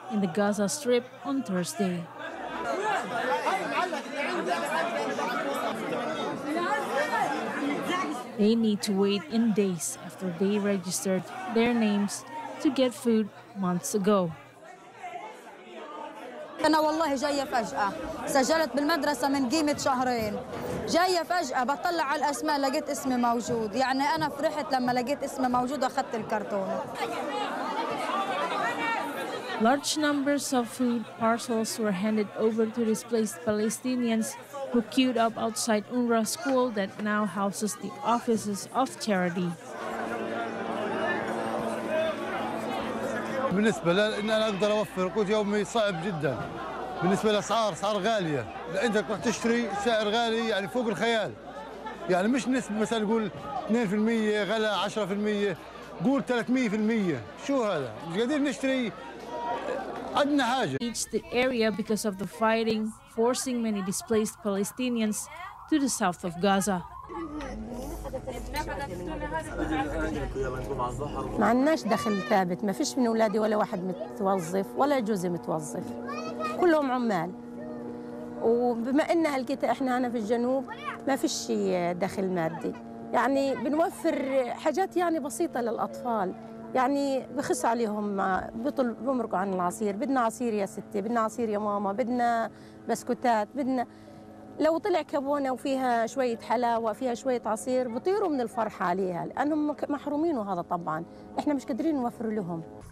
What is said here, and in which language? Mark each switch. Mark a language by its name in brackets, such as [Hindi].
[English] in the Gaza Strip on Thursday. They need to wait in days after they registered their names to get food months ago. [Arabic] أنا والله جاية فجأة سجلت بالمدرسة من قيمة شهرين جاية فجأة بطلع على الأسماء لقيت اسمي موجود يعني أنا فرحت لما لقيت اسمي موجود أخذت الكرتون. [English] Large numbers of food parcels were handed over to displaced Palestinians who queued up outside UNRWA school that now houses the offices of charity. [Arabic] بالنسبة لأن أنا أقدر أوفر قوت يومي صعب جدا بالنسبة لأسعار أسعار غالية أنت تروح تشتري سعر غالي يعني فوق الخيال يعني مش نسبة مثلا قول 2% غلا 10% قول 300% شو هذا مش قادرين نشتري عندنا حاجة. [English] Each the area because of the fighting forcing many displaced Palestinians to the south of Gaza. [Arabic] ما عندناش دخل ثابت، ما فيش من اولادي ولا واحد متوظف ولا جوزي متوظف. كلهم عمال. وبما ان هلقيت احنا هنا في الجنوب ما فيش دخل مادي. يعني بنوفر حاجات يعني بسيطة للأطفال، يعني بخس عليهم بمرقوا عن العصير، بدنا عصير يا ستي، بدنا عصير يا ماما، بدنا بسكوتات، بدنا لو طلع كابونه وفيها شويه حلاوه فيها شويه عصير بيطيروا من الفرحه عليها لانهم محرومين وهذا طبعا احنا مش قادرين نوفر لهم.